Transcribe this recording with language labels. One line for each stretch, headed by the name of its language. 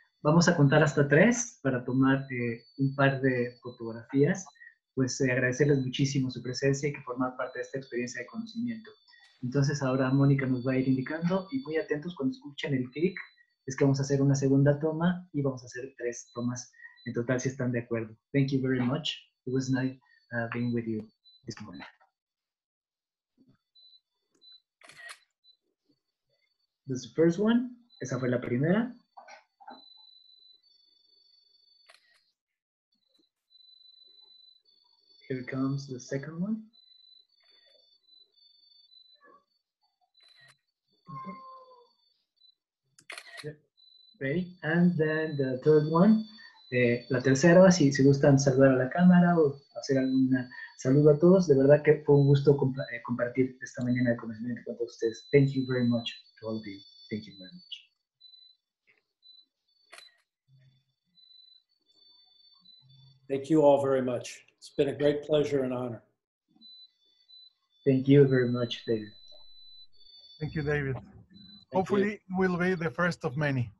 Spanish: Vamos a contar hasta tres para tomar un par de fotografías. Pues agradecerles muchísimo su presencia y que formar parte de esta experiencia de conocimiento. Entonces ahora Mónica nos va a ir indicando y muy atentos cuando escuchen el clic, es que vamos a hacer una segunda toma y vamos a hacer tres tomas en total si están de acuerdo.
English: Thank you very much. It was nice being with you this morning. This is the first one.
Spanish: Esa fue la primera.
English: Here comes the second one. Ready? And then the third one.
Spanish: La tercera, si gustan saludar a la cámara o hacer algún saludo a todos. De verdad que fue un gusto compartir esta mañana de conocimiento con todos ustedes.
English: Thank you very much to all of you. Thank you very much. Thank you all very much. It's been a great pleasure and honor. Thank you very much, David. Thank you, David. Hopefully, we'll be the first of many.